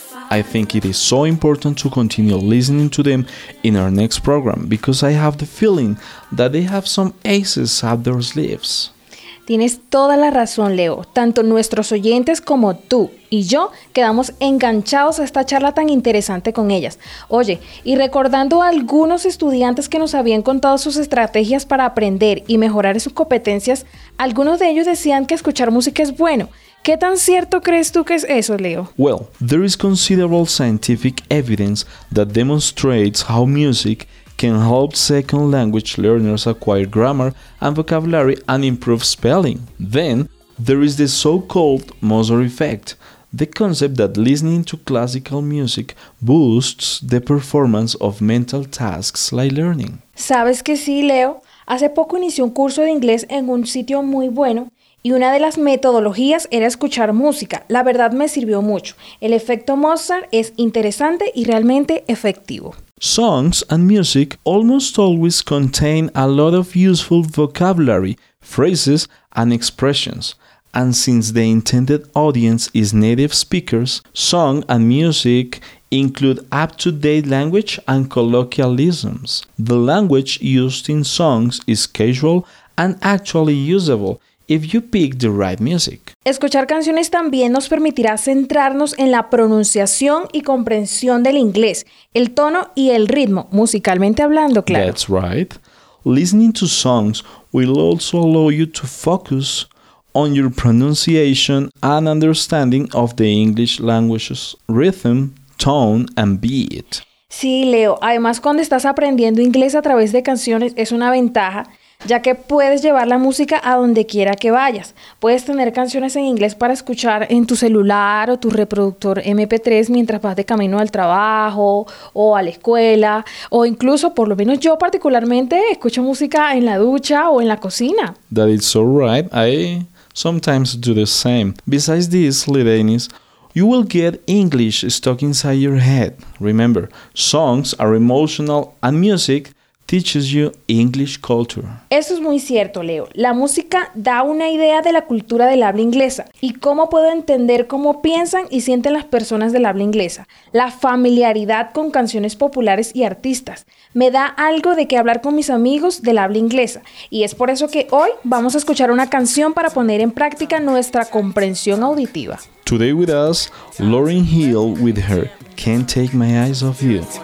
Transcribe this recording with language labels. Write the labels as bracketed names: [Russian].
[English] I think it is so important to continue listening to them in our next program because I have the feeling that they have some aces up their sleeves. [Spanish] Tienes toda la razón, Leo. Tanto nuestros oyentes como tú y yo quedamos enganchados a esta charla tan interesante con ellas. Oye, y recordando a algunos estudiantes que nos habían contado sus estrategias para aprender y mejorar sus competencias, algunos de ellos decían que escuchar música es bueno. ¿Qué tan cierto crees tú que es eso, Leo? [English] Well, there is considerable scientific evidence that demonstrates how music can help second language learners acquire grammar and vocabulary and improve spelling. Then, there is the so-called Mozart effect the concept that listening to classical music boosts the performance of mental tasks like learning. [Spanish] ¿Sabes que sí, Leo? Hace poco inicié un curso de inglés en un sitio muy bueno y una de las metodologías era escuchar música. La verdad me sirvió mucho. El efecto Mozart es interesante y realmente efectivo. [English] Songs and music almost always contain a lot of useful vocabulary, phrases and expressions. And since the intended audience is native speakers, song and music include up-to-date language and colloquialisms. The language used in songs is casual and actually usable if you pick the right music. [Spanish] Escuchar canciones también nos permitirá centrarnos en la pronunciación y comprensión del inglés, el tono y el ritmo, musicalmente hablando, claro. [English] That's right. Listening to songs will also allow you to focus on your pronunciation and understanding of the English language's rhythm, tone, and beat. [Spanish] Sí, Leo. Además, cuando estás aprendiendo inglés a través de canciones, es una ventaja, ya que puedes llevar la música a donde quiera que vayas. Puedes tener canciones en inglés para escuchar en tu celular o tu reproductor MP3 mientras vas de camino al trabajo o a la escuela, o incluso, por lo menos yo particularmente, escucho música en la ducha o en la cocina. [English] That is all right. Sometimes do the same. Besides this, Lidanis, you will get English stuck inside your head. Remember, songs are emotional and music teaches you English culture. [Spanish] Eso es muy cierto, Leo. La música da una idea de la cultura del habla inglesa y cómo puedo entender cómo piensan y sienten las personas del habla inglesa. La familiaridad con canciones populares y artistas me da algo de qué hablar con mis amigos del habla inglesa. Y es por eso que hoy vamos a escuchar una canción para poner en práctica nuestra comprensión auditiva. [English] Today with us, Lauryn Hill with her Can't Take My Eyes Off You.